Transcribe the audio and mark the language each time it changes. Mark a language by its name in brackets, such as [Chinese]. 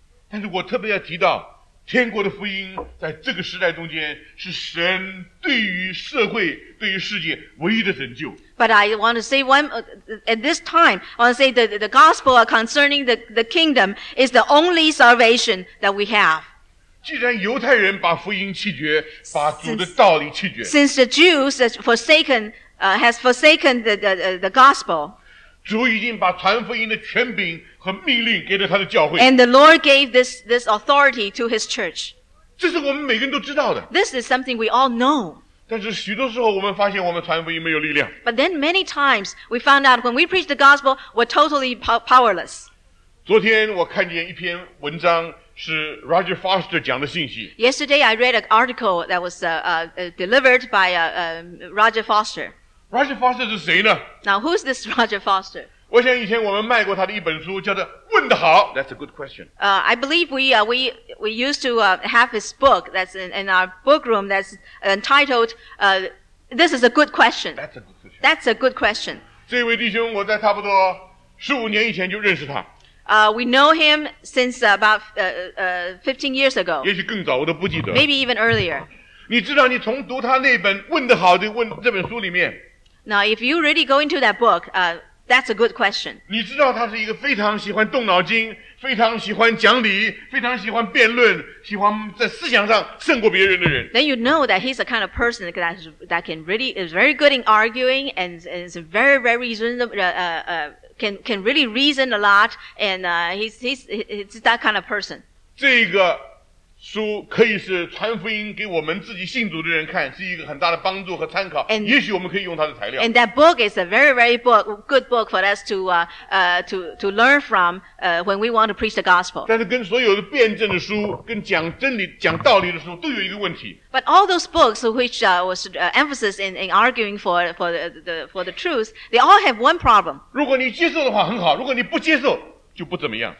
[Chinese] 但是我特别要提到。天国的福音在这个时代中间是神对于社会、对于世界唯一的拯救。 [English] But I want to say one at this time. I want to say the gospel concerning the kingdom is the only salvation that we have. [Chinese] 既然犹太人把福音弃绝，把主的道理弃绝。 [English] Since the Jews has forsaken the gospel. [Chinese] 主已经把传福音的权柄。和命令给了他的教会。 [English] And the Lord gave this authority to his church. [Chinese] 这是我们每个人都知道的。 [English] This is something we all know. [Chinese] 但是许多时候我们发现我们传福音没有力量。 [English] But then many times we found out when we preach the gospel, we're totally powerless. [Chinese] 昨天我看见一篇文章是 Roger Foster 讲的信息。 [English] Yesterday I read an article that was delivered by Roger Foster. [Chinese] Roger Foster 是谁呢？ [English] Now who's this Roger Foster? [Chinese] 我想以前我们卖过他的一本书，叫做《问得好》。 [English] That's a good question. I believe we used to have his book that's in our book room that's entitled This is a good question. That's a good question. That's a good question. [Chinese] 这位弟兄，我在差不多15年以前就认识他。 [English] We know him since about 15 years ago. [Chinese] 也许更早，我都不记得。 [English] Maybe even earlier. [Chinese] 你知道，你从读他那本《问得好》的这本书里面。 [English] Now, if you really go into that book, That's a good question. [Chinese] 你知道他是一个非常喜欢动脑筋，非常喜欢讲理，非常喜欢辩论，喜欢在思想上胜过别人的人。 [English] Then you know that he's the kind of person that can really is very good in arguing and is very very reasonable. Can really reason a lot and he's that kind of person. [Chinese] 这个书可以是传福音给我们自己信主的人看，是一个很大的帮助和参考。 [English] And, [Chinese] 也许我们可以用它的材料。 [English] And that book is a very, very good book for us to learn from when we want to preach the gospel. [Chinese] 但是跟所有的辩证的书、跟讲真理、讲道理的书都有一个问题。 [English] But all those books which was emphasis in arguing for the truth, they all have one problem. [Chinese] 如果你接受的话很好，如果你不接受就不怎么样。